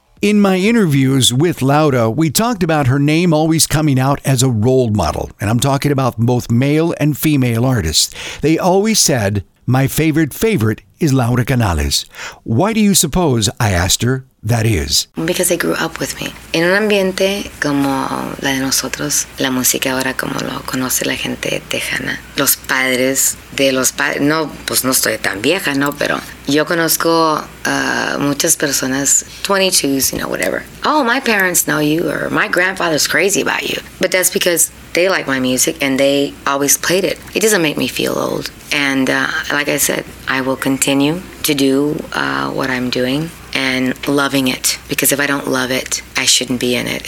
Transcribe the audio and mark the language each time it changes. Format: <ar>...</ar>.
<en>In my interviews with Laura, we talked about her name always coming out as a role model, and I'm talking about both male and female artists. They always said, "My favorite is Laura Canales." Why do you suppose, I asked her, that is? Because they grew up with me. In an</en> <es>ambiente como la de nosotros, la música ahora como lo conoce la gente tejana, los padres de los padres, no, pues no estoy tan vieja, no, pero yo conozco muchas personas, 22s,</es> <en>you know, whatever. Oh, my parents know you, or my grandfather's crazy about you. But that's because they like my music and they always played it. It doesn't make me feel old. And like I said, I will continue to do what I'm doing. And loving it, because if I don't love it, I shouldn't be in it.</en>